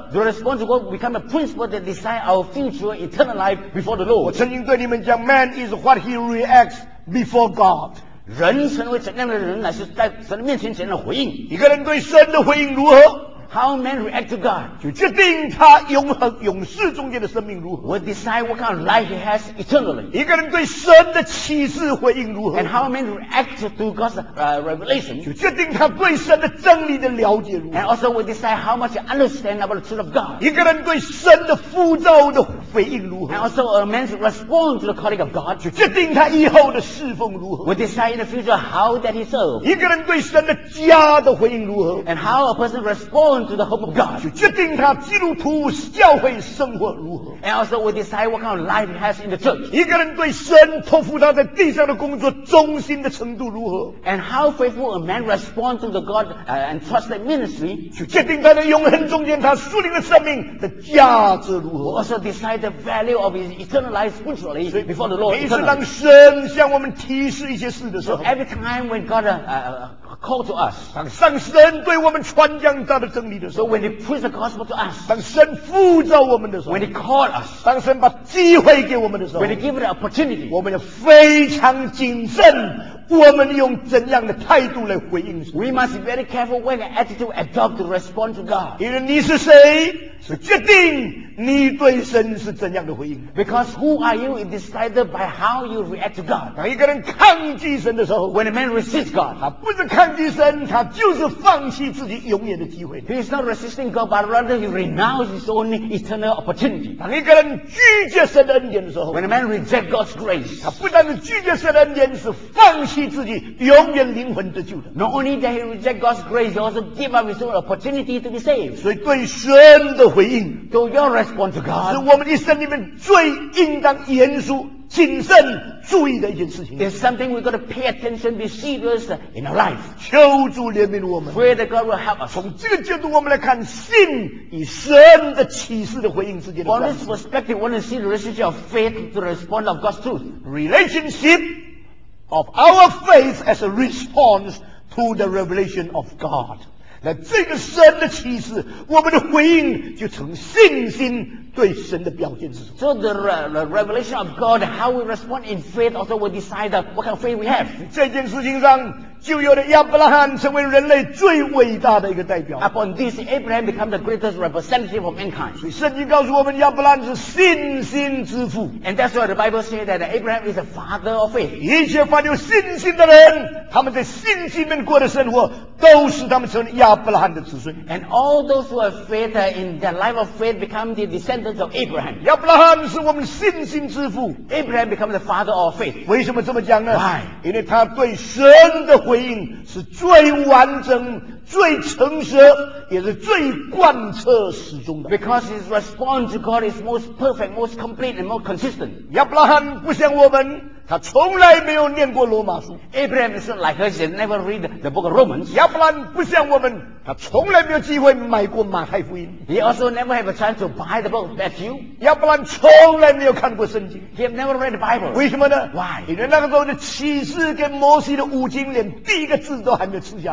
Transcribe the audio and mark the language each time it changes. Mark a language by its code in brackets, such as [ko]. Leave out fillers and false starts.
[en] The response to God become a principle that decides our future eternal life before the Lord. [zh] 我曾经对你们讲， [en] man is what he reacts before God. [zh] 人成为怎样的人，乃是在神面前怎样的回应。一个人对神的回应如何？ [en] How men react to God? [zh] 就决定他永恒永世中间的生命如何。 [en] Will decide what kind of life he has eternally. [zh] 一个人对神的启示回应如何。 [en] And how men react to God's revelation. [zh] 就决定他对神的真理的了解如何。 [en] And also will decide how much he understand about the truth of God. [zh] 一个人对神的呼召的回应如何。 [en] And also a man's response to the calling of God. [zh] 就决定他以后的侍奉如何。 [en] Will decide in the future how that he serves. [zh] 一个人对神的家的回应如何。 [en] And how a person responds on to the hope of God. [zh] 就决定他基督徒教会生活如何。 [en] And also we decide what kind of life he has in the church. [zh] 一个人对神托付他在地上的工作忠心的程度如何。 [en] And how faithful a man responds to the God, and trusts the ministry. [zh] 就决定他在永恒中间他属灵的生命的价值如何。 [en] We also decide the value of his eternal life spiritually before the Lord. [zh] 每次当神向我们提示一些事的时候。 [en] So every time when God, call to us. [zh] 当上神对我们传讲他的真理的时候。 [en] So when he preached the gospel to us. [zh] 当神呼召我们的时候。 [en] When he called us. [zh] 当神把机会给我们的时候。 [en] When he gave the opportunity. [zh] 我们要非常谨慎我们用怎样的态度来回应神。 [en] We must be very careful when an attitude adopts to respond to God. [zh] 因为你是谁是决定你对神是怎样的回应。 [en] Because who are you is decided by how you react to God. [zh] 当一个人抗拒神的时候。 [en] When a man resists God. [zh] 他不是抗拒神他就是放弃自己永远的机会。 [en] He is not resisting God, but rather he renounces his own eternal opportunity. [zh] 当一个人拒绝神的恩典的时候。 [en] When a man rejects God's grace. [zh] 他不但是拒绝神的恩典是放弃自己永远灵魂得救的。 [en] Not only that he rejects God's grace, he also gives up his own opportunity to be saved. [zh] 所以对神的回应。 [en] So your response to God. [zh] 是我们一生里面最应当严肃谨慎注意的一件事情。 [en] It's something we've got to pay attention, be serious in our life. [zh] 求主怜悯我们。 [en] Pray that God will help us. [zh] 从这个角度我们来看信与神的启示的回应之间的关系。 [en] On this perspective, we want to see the relationship of faith to respond of God's truth. Relationship of our faith as a response to the revelation of God. [zh] 那这个神的启示，我们的回应就成信心。对神的表现是什么 [en] So the revelation of God, how we respond in faith also will decide that what kind of faith we have. [zh] 这件事情上就有了亚伯拉罕成为人类最伟大的一个代表。 [en] Upon this, Abraham became the greatest representative of mankind. [zh] 所以圣经告诉我们亚伯拉罕是信心之父。 [en] And that's why the Bible says that Abraham is the father of faith. [zh] 一切凡有信心的人他们在信心里面过的生活都使他们成为亚伯拉罕的子孙。 [en] And all those who have faith in the life of faith become the descendants of Abraham. [zh] 亚伯拉罕是我们信心之父。 [en] Abraham becomes the father of faith. [zh] 为什么这么讲呢 [en] Why? [zh] 因为他对神的回应是最完整最诚实也是最贯彻始终的 [en] Because his response to God is most perfect, most complete and most consistent. [zh] 亚伯拉罕不像我们他从来没有念过罗马书 [en] Abraham is not like us, he never read the book of Romans. [zh] 亚伯拉罕不像我们他从来没有机会买过马太福音 [en] He also never have a chance to buy the book of Matthew. [zh] 亚伯拉罕从来没有看过圣经 [en] He never read the Bible. [zh] 为什么呢 [en] Why? [zh] 因为那个时候的启示跟摩西的五经连第一个字都还没有吃下